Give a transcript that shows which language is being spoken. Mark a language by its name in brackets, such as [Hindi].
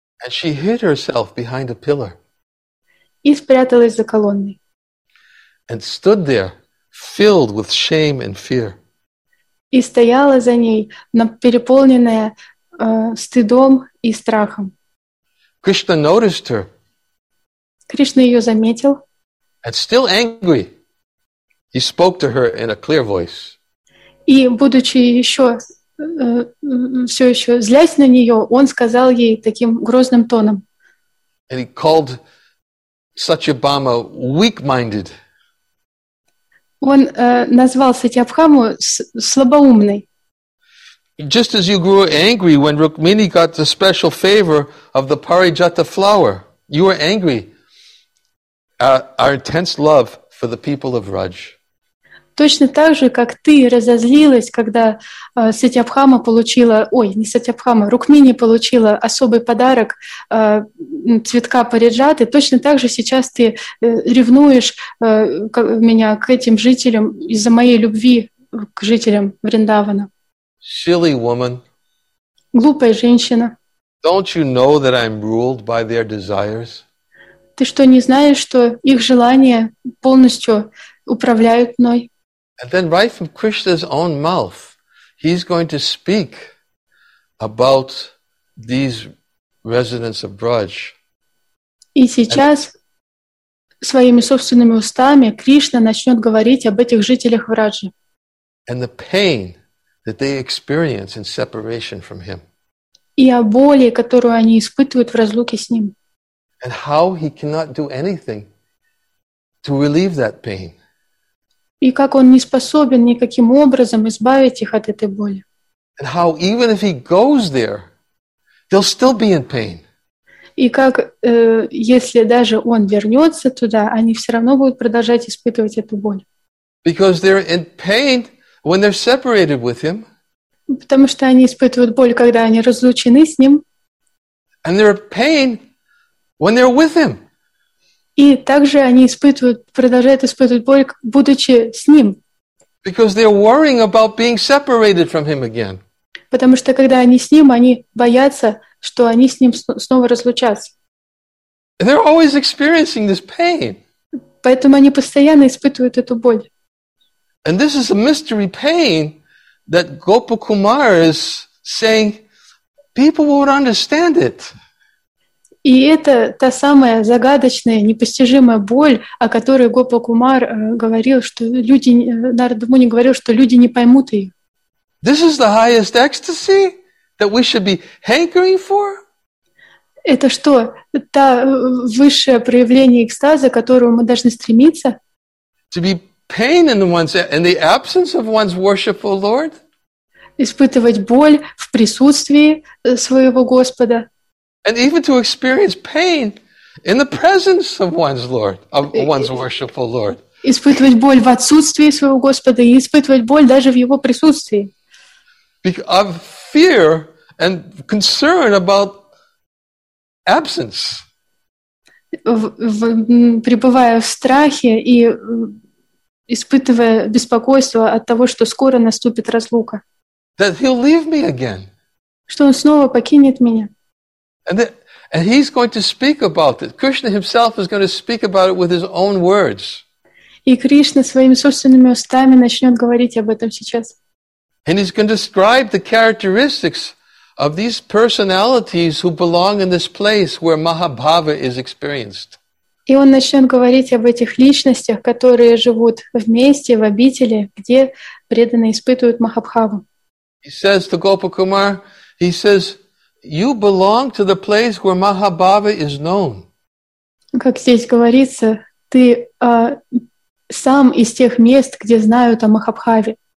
[English] And she hid herself behind a pillar. [Russian] И спряталась за колонной. [English] And stood there, filled with shame and fear. [Russian] И стояла за ней, переполненная стыдом и страхом. [English] Krishna noticed her. [Russian] Кришна ее заметил. [English] And still angry, he spoke to her in a clear voice. [Russian] И будучи ещё всё ещё злясь на неё, он сказал ей таким грозным тоном. [English] And he called Сатьябхама weak-minded. [Russian] Он назвал Сатьябхаму слабоумной. [English] Just as you grew angry when Rukmini got the special favor of the Parijata flower, you were angry at our intense love for the people of Raj. [Russian] Точно так же, как ты разозлилась, когда Сатьябхама получила, ой, не Сатьябхама, Рукмини получила особый подарок цветка Париджаты, точно так же сейчас ты ревнуешь меня к этим жителям из-за моей любви к жителям Вриндавана. [English] Silly woman. [Russian] Глупая женщина. [English] Don't you know that I'm ruled by their desires? [Russian] Ты что, не знаешь, что их желания полностью управляют мной? [English] And then right from Krishna's own mouth, he's going to speak about these residents of Braj. [Russian] И сейчас своими собственными устами Кришна начнет говорить об этих жителях Враджи. [English] And the pain that they experience in separation from him. [Russian] И о боли, которую они испытывают в разлуке с ним. [English] And how he cannot do anything to relieve that pain. [Russian] И как он не способен никаким образом избавить их от этой боли. [English] And how even if he goes there, they'll still be in pain. [Russian] И как, если даже он вернется туда, они все равно будут продолжать испытывать эту боль. [English] Because they're in pain when they're separated with him. [Russian] Потому что они испытывают боль, когда они разлучены с ним. [English] And they're in pain when they're with him. [Russian] И также они испытывают, продолжают испытывать боль, будучи с ним. [English] Because they're worrying about being separated from him again. [Russian] Потому что когда они с ним, они боятся, что они с ним снова разлучатся. [English] They're always experiencing this pain. [Russian] Поэтому они постоянно испытывают эту боль. [English] And this is a mystery pain that Gopakumar is saying people won't understand it. [Russian] И это та самая загадочная, непостижимая боль, о которой Гопакумар говорил, что люди, Нарада Муни говорил, что люди не поймут ее. [English] This is the highest ecstasy that we should be hankering for? [Russian] Это что, та высшее проявление экстаза, к которому мы должны стремиться? [English] To be pain in the absence of one's worshipful Lord? [Russian] Испытывать боль в присутствии своего Господа. [English] And even to experience pain in the presence of one's Lord, of one's worshipful Lord. [Russian] Испытывать боль в отсутствии своего Господа и испытывать боль даже в его присутствии. [English] Because of fear and concern about absence. [Russian] Пребывая в страхе и испытывая беспокойство от того, что скоро наступит разлука. [English] That he'll leave me again. [Russian] Что он снова покинет меня. [English] And he's going to speak about it. Krishna himself is going to speak about it with his own words. [Russian] И Кришна своими собственными устами начнет говорить об этом сейчас. [English] And he's going to describe the characteristics of these personalities who belong in this place where Mahabhava is experienced. [Russian] И он начнет говорить об этих личностях, которые живут вместе в обители, где преданные испытывают Махабхаву. [English] He says to Gopakumar, he says, you belong to the place where Mahabhava is known. [Russian] Как здесь говорится, ты сам из тех мест, где знают о Махабхаве.